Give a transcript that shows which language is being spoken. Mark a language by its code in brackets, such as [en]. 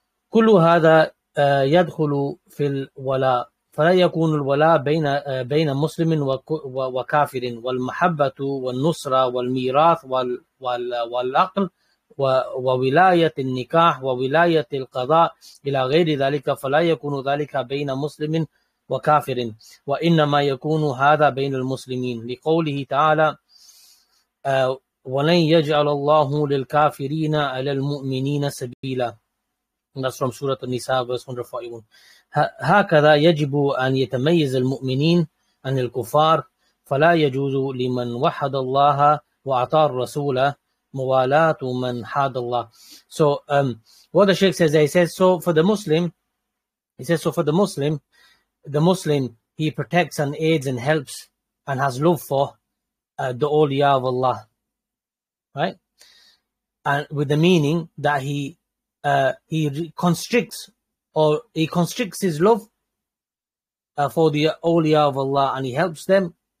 [ar] كل هذا يدخل في الولاء فلا يكون الولاء بين مسلم وكافر والمحبة والنصرة والميراث والعقل وولاية النكاح وولاية القضاء إلى غير ذلك فلا يكون ذلك بين مسلم وكافر وإنما يكون هذا بين المسلمين لقوله تعالى ولن يجعل الله للكافرين على المؤمنين سبيلا. [en] And that's from Surah An-Nisa, verse 141. [ar] هكذا يجب أن يتميز المؤمنين عن الكفار فلا يجوز لمن وحد الله وأعطى الرسول موالاة من حاد الله. [en] So what the Shaykh says, he says, so for the Muslim, he says, so for the Muslim, he protects and aids and helps and has love for the awliya of Allah. Right? And with the meaning that he constricts, or he constricts his love for the awliya of Allah, and he helps them.